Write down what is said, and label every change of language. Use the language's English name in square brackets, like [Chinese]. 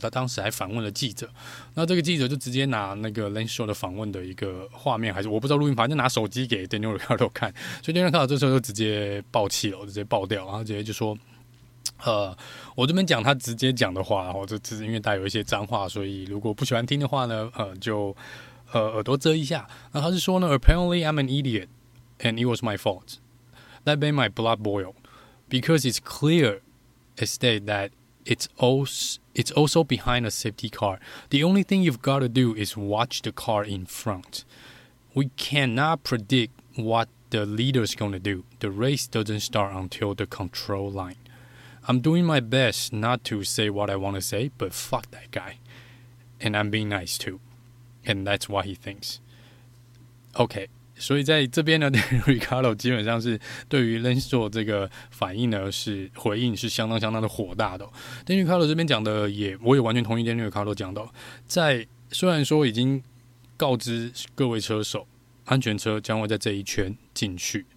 [Chinese] 他当时还反问了记者，那这个记者就直接拿那个 Lance Stroll 的访问的一个画面，还是我不知道录音，反正拿手机给 Daniel Ricciardo 看，所以 Daniel Ricciardo 这时候就直接爆气了，直接爆掉，然后直接就说：“我这边讲他直接讲的话，然后这只是因为带有一些脏话，所以如果不喜欢听的话呢，就。” 耳朵遮一下，那他是说呢 [English] ，Apparently I'm an idiot, and it was my fault. That made my blood boil, because it's clear as day that it's also behind a safety car. The only thing you've got to do is watch the car in front. We cannot predict what the leader's going to do. The race doesn't start until the control line. I'm doing my best not to say what I want to say, but fuck that guy, and I'm being nice too. And that's what he thinks. [Chinese] OK, 所以在这边呢 ，Ricciardo 基本上是对于 Lance Stroll 这个反应呢，是回应是相当相当的火大的、哦。 Daniel Ricciardo 这边讲的也，我也完全同意 Daniel Ricciardo 讲的、哦，在虽然说已经告知各位车手，安全车将会在这一圈进去，